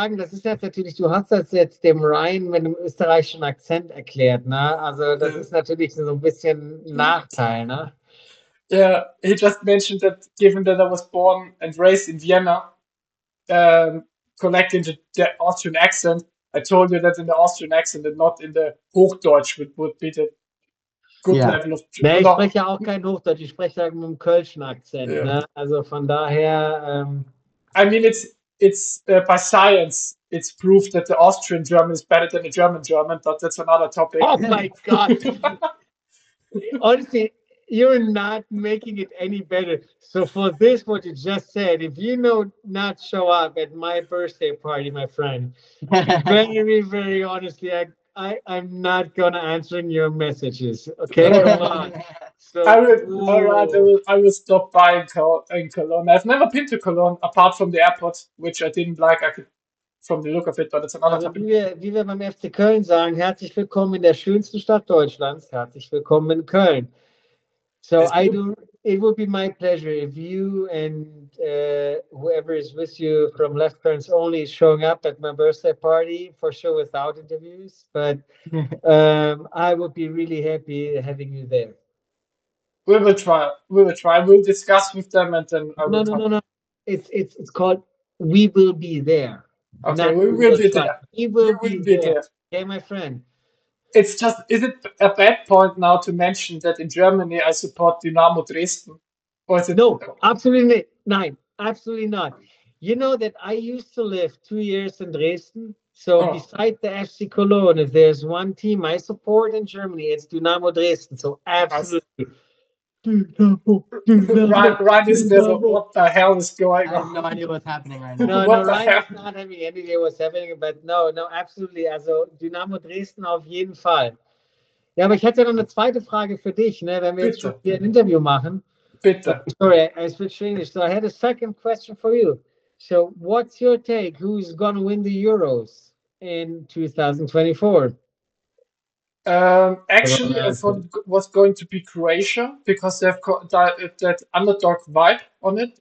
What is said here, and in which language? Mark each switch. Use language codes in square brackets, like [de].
[de] Das ist jetzt natürlich, du hast das jetzt dem Ryan mit einem österreichischen Akzent erklärt, ne? Also das ist natürlich so ein bisschen Nachteil, ne? [en] Yeah, he just mentioned that given that I was born and raised in Vienna, connecting to the Austrian accent, I told you that in the Austrian accent and not in the Hochdeutsch would be the [de] Ja. Nee, ich spreche ja auch kein Hochdeutsch, ich spreche ja mit einem Kölschen Akzent. Ja. Ne? Also von daher. [en] I mean, it's by science, it's proof that the Austrian German is better than the German German, but that's another topic. Oh my God. Honestly, you're not making it any better. So for this, what you just said, if you not show up at my birthday party, my friend, very, very, very honestly, I'm not gonna answer your messages, okay? I will stop by in Cologne. I've never been to Cologne apart from the airport, which I didn't like. I could, from the look of it, but it's another topic. [de] Wie wir beim FC Köln sagen, herzlich willkommen in der schönsten Stadt Deutschlands. Herzlich willkommen in Köln. So [en] It would be my pleasure if you and whoever is with you from Left Turns Only is showing up at my birthday party, for sure without interviews, but I would be really happy having you there. We will try. We'll discuss with them and then... No. It's called We Will Be There. Okay, we will be there. We will be there. Okay, my friend. It's just, is it a bad point now to mention that in Germany I support Dynamo Dresden? Or is it no, absolutely not. You know that I used to live 2 years in Dresden. So beside the FC Cologne, if there's one team I support in Germany, it's Dynamo Dresden. So absolutely. Ryan, what the hell is going on? I have no idea what's happening right now. Ryan is not having any idea what's happening, but no, absolutely. [de] Also Dynamo Dresden auf jeden Fall. Ja, aber ich hätte noch eine zweite Frage für dich, ne, wenn wir jetzt hier ein Interview machen. Bitte. [en] Sorry, I switched English. So I had a second question for you. So what's your take? Who's going to win the Euros in 2024? Actually, I thought it was going to be Croatia because they have that underdog vibe on it.